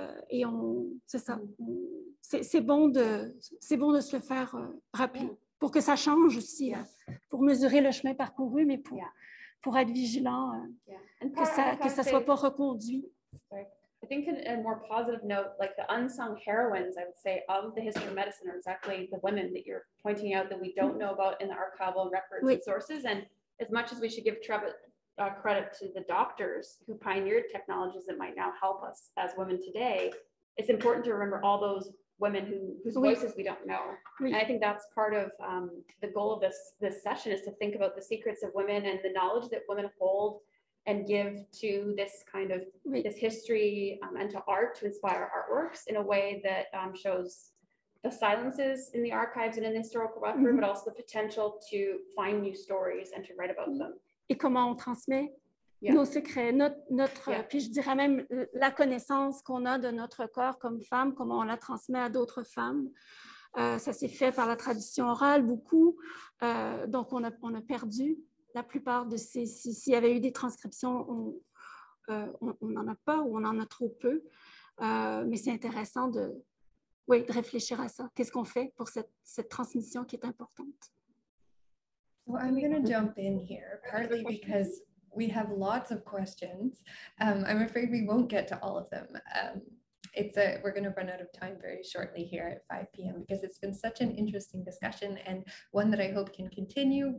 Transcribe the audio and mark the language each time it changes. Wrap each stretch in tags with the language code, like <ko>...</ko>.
<fr>et on, c'est ça, c'est bon de se le faire rappeler, pour que ça change aussi, pour mesurer le chemin parcouru, mais pour être vigilant, que ça soit pas reconduit.</fr> <en>I think in a more positive note, like the unsung heroines, I would say, of the history of medicine are exactly the women that you're pointing out that we don't know about in the archival records and sources. And as much as we should give credit to the doctors who pioneered technologies that might now help us as women today, it's important to remember all those women whose voices we don't know. And I think that's part of the goal of this session, is to think about the secrets of women and the knowledge that women hold and give to this kind of this history and to art, to inspire artworks in a way that shows the silences in the archives and in the historical record, but also the potential to find new stories and to write about them.</en> <fr>Et comment on transmet nos secrets, notre puis je dirais même la connaissance qu'on a de notre corps comme femme, comment on la transmet à d'autres femmes. Ça s'est fait par la tradition orale, beaucoup. Donc, on a perdu la plupart de ces... S'il y avait eu des transcriptions, on n'en a pas ou on en a trop peu. Mais c'est intéressant de réfléchir à ça. Qu'est-ce qu'on fait pour cette transmission qui est importante?</fr> <en>Well, I'm going to jump in here, partly because we have lots of questions. I'm afraid we won't get to all of them. We're going to run out of time very shortly here at 5 p.m. because it's been such an interesting discussion and one that I hope can continue.</en>